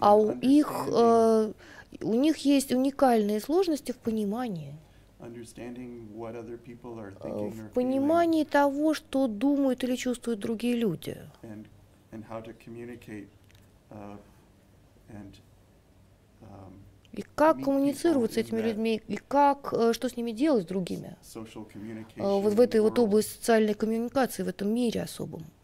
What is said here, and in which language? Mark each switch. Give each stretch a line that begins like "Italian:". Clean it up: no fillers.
Russian: А у них есть уникальные сложности в понимании.
English: Understanding what other people are thinking or feeling.
Russian: В понимании того, что думают или чувствуют другие люди.
English: And how to communicate and
Russian: И как коммуницировать с этими людьми, и как, что с ними делать с другими вот в этой вот области социальной коммуникации, в этом мире особом.